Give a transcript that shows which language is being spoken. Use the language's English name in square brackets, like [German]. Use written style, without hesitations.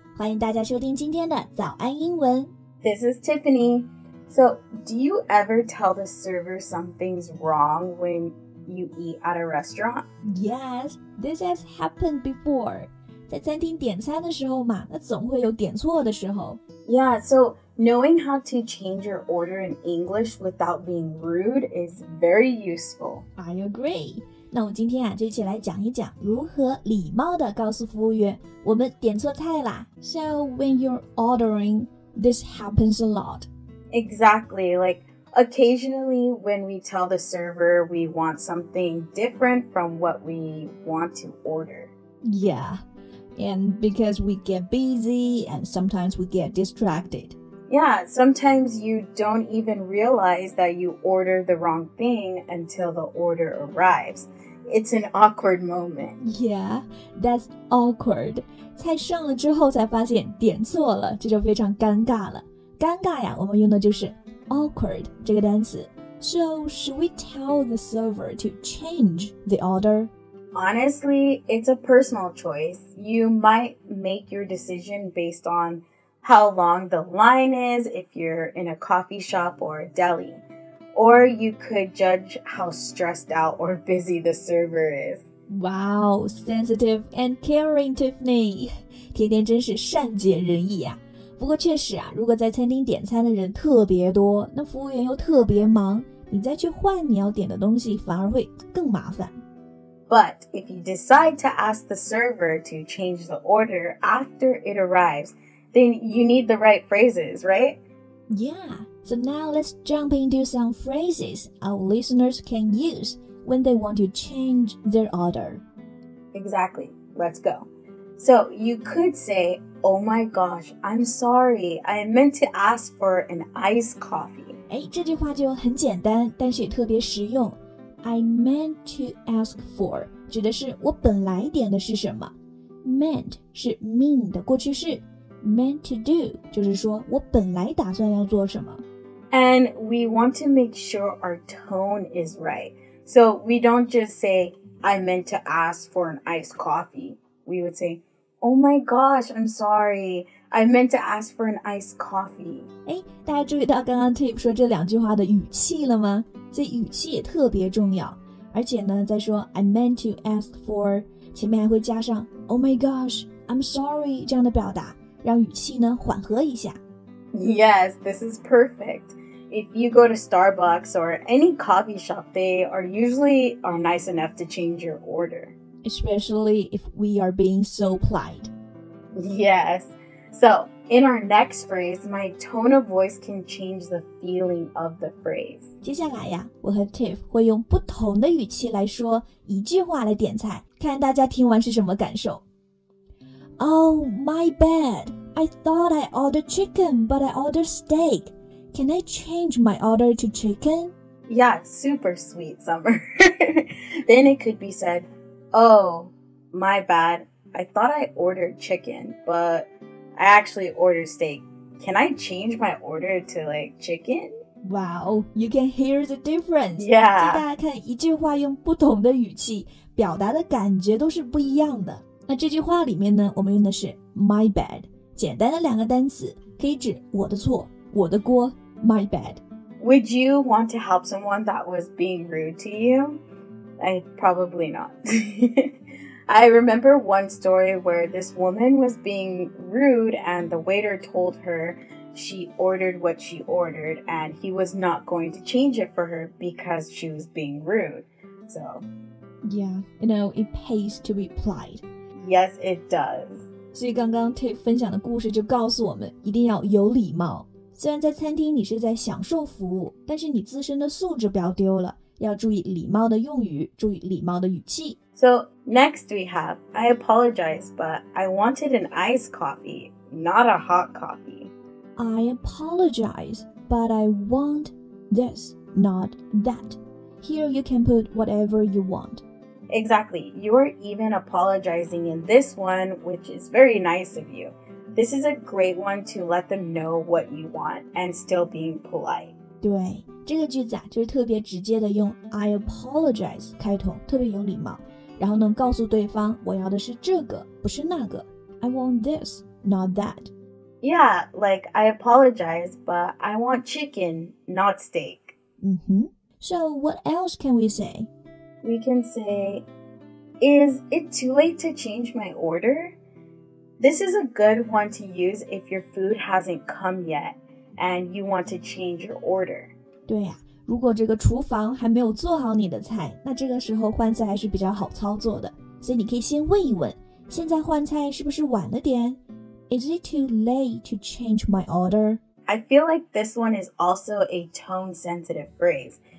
[Chinese] 欢迎大家收听今天的早安英文。 [English] This is Tiffany. So, do you ever tell the server something's wrong when you eat at a restaurant? Yes, this has happened before. [Chinese] 在餐厅点餐的时候嘛，那总会有点错的时候。 [English] Yeah, so knowing how to change your order in English without being rude is very useful. I agree. [Chinese] 那我们今天啊，就一起来讲一讲如何礼貌地告诉服务员我们点错菜啦。 [English] So when you're ordering, this happens a lot. Exactly. Like occasionally when we tell the server we want something different from what we want to order. Yeah. And because we get busy and sometimes we get distracted. Yeah. Sometimes you don't even realize that you ordered the wrong thing until the order arrives. It's an awkward moment. Yeah, that's awkward. [Chinese] 菜上了之后才发现点错了，这就非常尴尬了。尴尬呀，我们用的就是 awkward 这个单词。 [English] So, should we tell the server to change the order? Honestly, it's a personal choice. You might make your decision based on how long the line is if you're in a coffee shop or a deli. Or you could judge how stressed out or busy the server is. Wow, sensitive and caring, Tiffany. [Chinese] 甜甜真是善解人意啊。不过确实啊，如果在餐厅点餐的人特别多，那服务员又特别忙，你再去换你要点的东西反而会更麻烦。 [English] But if you decide to ask the server to change the order after it arrives, then you need the right phrases, right? Yeah. So now let's jump into some phrases our listeners can use when they want to change their order. Exactly. Let's go. So you could say, Oh my gosh, I'm sorry. I meant to ask for an iced coffee. [Chinese] 哎，这句话就很简单，但是也特别实用。 [English] I meant to ask for [Chinese] 指的是我本来点的是什么。 Meant 是 mean 的过去式。 [English] Meant to do [Chinese] 就是说我本来打算要做什么。 [English] And we want to make sure our tone is right. So we don't just say, I meant to ask for an iced coffee. We would say, oh my gosh, I'm sorry. I meant to ask for an iced coffee. [Chinese] 哎，大家注意到刚刚 Tip 说这两句话的语气了吗？这语气也特别重要。而且呢，再说 [English] I meant to ask for, [Chinese] 前面还会加上 [English] oh my gosh, I'm sorry [Chinese] 这样的表达，让语气呢缓和一下。 [English] Yes, this is perfect. If you go to Starbucks or any coffee shop, they are usually are nice enough to change your order. Especially if we are being so polite. Yes. So, in our next phrase, my tone of voice can change the feeling of the phrase. [Chinese] 接下来呀，我和 Tiff 会用不同的语气来说一句话来点菜，看大家听完是什么感受。 [English] Oh, my bad. I thought I ordered chicken, but I ordered steak. Can I change my order to chicken? Yeah, super sweet, Summer. Then it could be said, Oh, my bad. I thought I ordered chicken, but I actually ordered steak. Can I change my order to, like, chicken? Wow, you can hear the difference. Yeah. [Chinese] 大家看一句话用不同的语气，表达的感觉都是不一样的。那这句话里面呢，我们用的是 [English] my bad. [Chinese] 简单的两个单词可以指我的错，我的锅 ， [English] my bad. Would you want to help someone that was being rude to you? I probably not. I remember one story where this woman was being rude, and the waiter told her she ordered what she ordered, and he was not going to change it for her because she was being rude. So, yeah, you know, it pays to be polite. Yes, it does. [Chinese] 所以刚刚 Tiff 分享的故事就告诉我们一定要有礼貌。虽然在餐厅你是在享受服务，但是你自身的素质不要丢了，要注意礼貌的用语，注意礼貌的语气。 [English] So next we have, I apologize, but I wanted an iced coffee, not a hot coffee. I apologize, but I want this, not that. Here you can put whatever you want. Exactly. You're even apologizing in this one, which is very nice of you. This is a great one to let them know what you want and still being polite. [Chinese] 对，这个句子啊，就是特别直接的用 [English] I apologize [Chinese] 开头，特别有礼貌。然后能告诉对方我要的是这个不是那个 [English] I want this, not that. Yeah, like I apologize, but I want chicken, not steak. Mm-hmm. So what else can we say? We can say, is it too late to change my order? This is a good one to use if your food hasn't come yet and you want to change your order. [Chinese] 对呀、啊。如果这个厨房还没有做好你的菜，那这个时候换菜还是比较好操作的。所以你可以先问一问，现在换菜是不是晚了点？ [English] Is it too late to change my order? I feel like this one is also a tone-sensitive phrase.